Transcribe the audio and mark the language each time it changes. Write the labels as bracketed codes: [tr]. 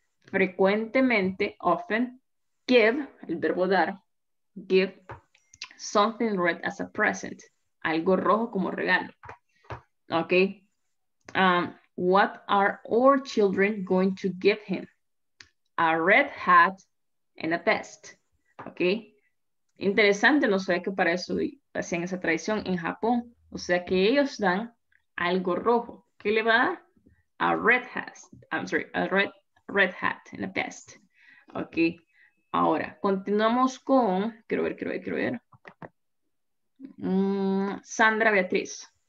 [en] Frecuentemente, often, give, [es] el verbo dar, [en] give something red as a present. [es] Algo rojo como regalo. Okay. [en] What are our children going to give him? A red hat and a vest. Okay. [es] Interesante, no sabía que para eso hacían esa tradición en Japón. O sea que ellos dan algo rojo. ¿Qué le va a dar? [en] A red hat. I'm sorry, a red hat and a vest. [es] Okay. Ahora, continuamos con. Quiero ver. Sandra Beatriz.